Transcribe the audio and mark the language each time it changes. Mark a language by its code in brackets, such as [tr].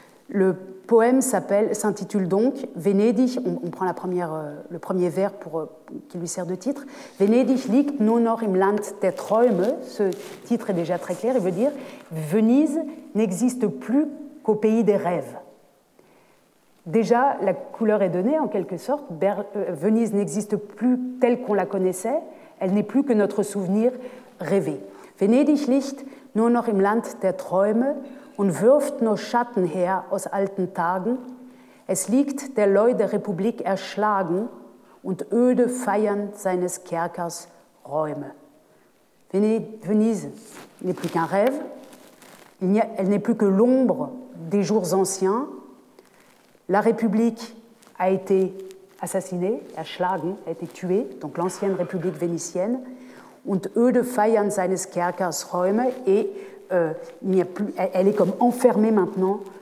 [fr] Le poème s'intitule donc « Venedig », on prend le premier vers qui lui sert de titre, « [de] Venedig liegt nur noch im Land der Träume [fr] », ce titre est déjà très clair, il veut dire « Venise n'existe plus qu'au pays des rêves ». Déjà, la couleur est donnée, en quelque sorte. Venise n'existe plus telle qu'on la connaissait. Elle n'est plus que notre souvenir rêvé. [de] Venedig liegt nur noch im Land der Träume und wirft nur Schatten her aus alten Tagen. Es liegt der Leute Republik erschlagen und öde feiern seines Kerkers Räume. [fr] Venise n'est plus qu'un rêve. Elle n'est plus que l'ombre des jours anciens. La République a été assassinée, erschlagen, a été tuée, donc l'ancienne République vénitienne. [de] Und öde feiern seines Kerkers Räume. [fr] Et il n'y a plus, elle est comme enfermée maintenant.